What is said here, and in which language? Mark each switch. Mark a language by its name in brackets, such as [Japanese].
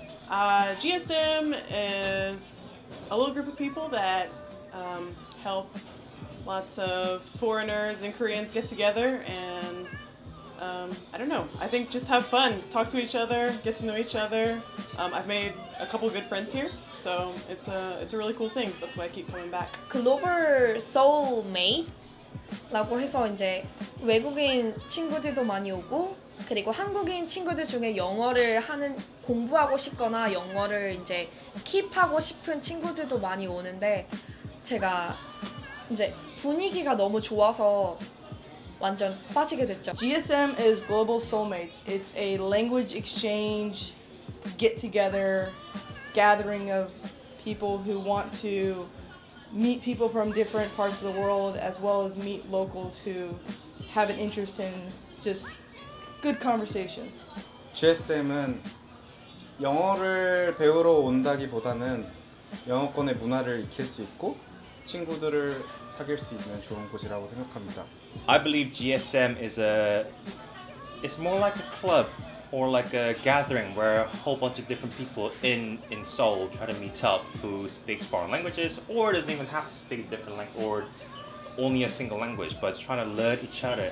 [English] GSM is a little group of people that help lots of foreigners and Koreans get together and I don't know, I think just have fun, talk to each other, get to know each other. I've made a couple good friends here, so it's a really cool thing. That's why I keep coming back. [Korean] Global soulmate라고 해서 이제 외국인 친구들도 많이 오고 그리고 한국인 친구들 중에 영어를 하는 공부하고 싶거나 영어를 이제 킵하고 싶은 친구들도 많이 오는데 제가 이제 분위기가 너무 좋아서 완전 빠지게 됐죠. [English] GSM is Global Soulmates. It's a language exchange get together gathering of people who want to meet people from different parts of the world as well as meet locals who have an interest in just good conversations. [Korean] GSM은 영어를 배우러 온다기보다는 영어권의 문화를 익힐 수 있고 친구들을 사귈 수 있는 좋은 곳이라고 생각합니다. [English] I believe GSM is it's more like a club or like a gathering where a whole bunch of different people in Seoul try to meet up who speaks foreign languages or doesn't even have to speak a different language or only a single language but trying to learn each other.